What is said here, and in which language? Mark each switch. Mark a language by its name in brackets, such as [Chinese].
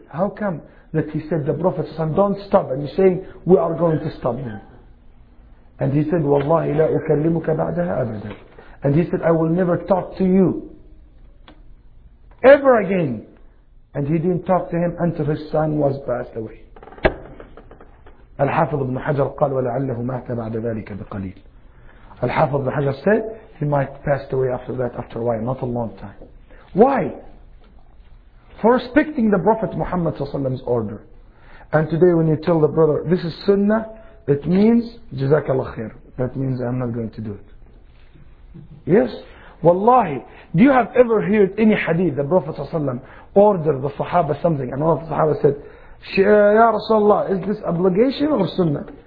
[English] How come that he said the Prophet said, don't stop. And he's saying, we are going to stop him. And he said, [Arabic] وَاللَّهِ لَا أُكَلِّمُكَ بَعْدَهَا أَبَدًا. [English] And he said, I will never talk to you ever again. And he didn't talk to him until his son was passed away. [Arabic] Al-Hafidh ibn Hajar قال وَلَعَلَّهُ مَاتَ بَعْدَ ذَلِكَ بِقَلِيلٍ. [English] Al-Hafidh ibn Hajar said, he might pass away after that, after a while, not a long time. Why? For respecting the Prophet Muhammad's order. And today when you tell the brother, this is sunnah, it means, jazakallah khair. That means I'm not going to do it. Yes? Wallahi, do you have ever heard any hadith the Prophet ordered the Sahaba something, and one of the Sahaba said, Ya Rasulullah, is this obligation or sunnah?